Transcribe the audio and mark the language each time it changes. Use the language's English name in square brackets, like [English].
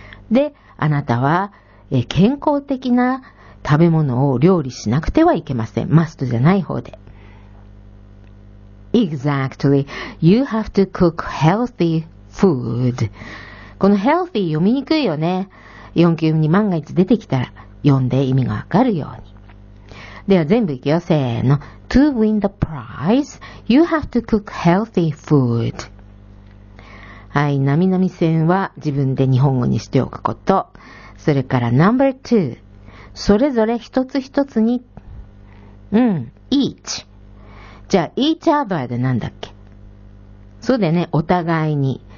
[Japanese] で、あなたは健康的な食べ物を料理しなくてはいけません。 must じゃない方で。Exactly. [English] You have to cook healthy food. [Japanese] この healthy 読みにくいよね。 4級に万が一出てきたら読んで意味がわかるように。では全部いくよ。せーの。 [English] To win the prize, you have to cook healthy food. [Japanese] はい。なみなみ線は自分で日本語にしておくこと。それから [English] number two。 [Japanese] それぞれ一つ一つに。うん。each。じゃあ、each other でなんだっけ？そうだよね。お互いに。